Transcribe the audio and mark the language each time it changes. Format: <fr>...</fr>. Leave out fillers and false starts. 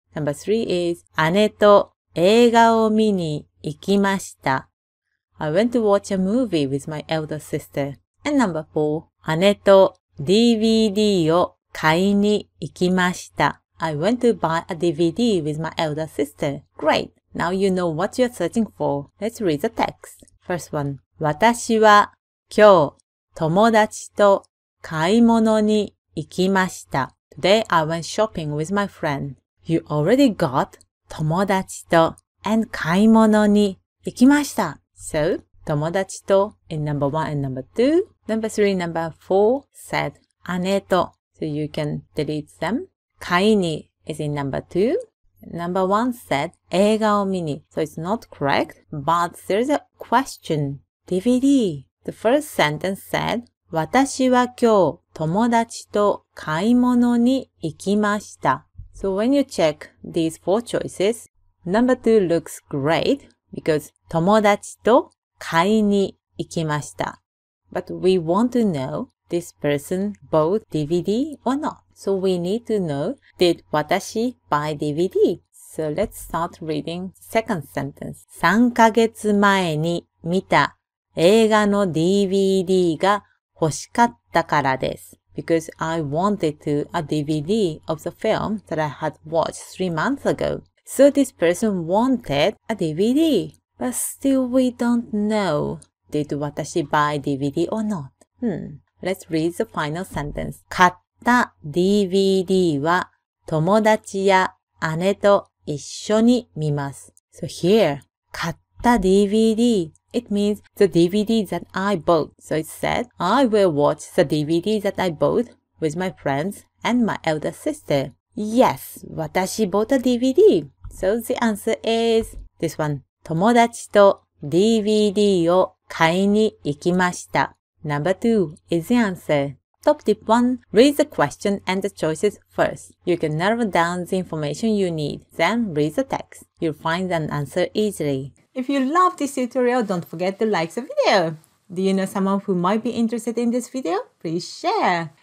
<en>Number 3 is</en> <ja>姉と映画を見に行きました。</ja> <en>I went to watch a movie with my elder sister. And number 4,</en> <ja>姉と DVD を買いに行きました。</ja> <en>I went to buy a DVD with my elder sister. Great! Now you know what you're searching for. Let's read the text. First one.</en> <ja>私は今日友達と買い物に行きました。</ja> <en>Today I went shopping with my friend. You already got</en> <ja>友達と</ja> <en>and</en> <ja>買い物に行きました。</ja> <en>So,</en> <ja>友達と</ja> <en>in number 1 and number 2. Number 3 and number 4 said</en> <ja>姉と.</ja> <en>So you can delete them.</en> <ja>買いに</ja> <en>is in number 2. Number 1 said</en> <ja>映画を見に.</ja> <en>So it's not correct. But there's a question. DVD. The first sentence said</en> <ja>私は今日友達と買い物に行きました.</ja> <en>So when you check these four choices, number 2 looks great because</en> <ja>友達と買いに行きました.</ja> <en>But we want to know this person bought DVD or not. So we need to know, did 私 buy DVD? So let's start reading the second sentence.</en> <ja>3ヶ月前に見た映画の DVD が欲しかったからです。</ja> <en>because I wanted to a DVD of the film that I had watched 3 months ago. So this person wanted a DVD. But still we don't know. Did watashi buy DVD or not? Let's read the final sentence.</en> <ja>買った DVD は友達や姉と一緒に見ます。</ja> <en>So here,</en> <ja>買った DVD,</ja> <en>it means the DVD that I bought. So it said, I will watch the DVD that I bought with my friends and my elder sister. Yes, 私 bought a DVD. So the answer is this one.</en> <ja>友達と DVD を買いに行きました。</ja> <en>Number two is the answer. Top tip one, read the question and the choices first. You can narrow down the information you need, then read the text. You'll find an answer easily. If you love this tutorial, don't forget to like the video. Do you know someone who might be interested in this video? Please share.</en>